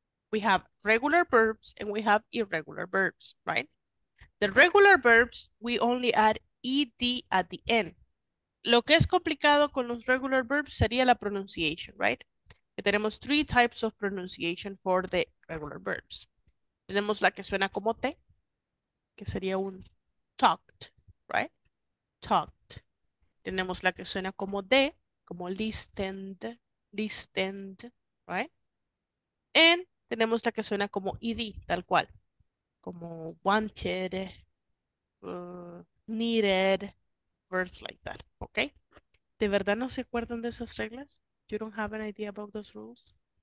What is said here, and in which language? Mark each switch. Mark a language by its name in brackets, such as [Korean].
[English] We have regular verbs and we have irregular verbs, right? The regular verbs, we only add ed at the end. [Spanish] Lo que es complicado con los [English] regular verbs [Spanish] sería la [English] pronunciation, right? [Spanish] Que tenemos [English] three types of pronunciation for the regular verbs. [Spanish] Tenemos la que suena como T, que sería un talked, right? Talked. Tenemos la que suena como D, como listened, right? And tenemos la que suena como ed, tal cual, como wanted, needed, [English] words like that, okay? [Spanish] ¿De verdad no se acuerdan de esas reglas? [English] You don't have an idea about those rules?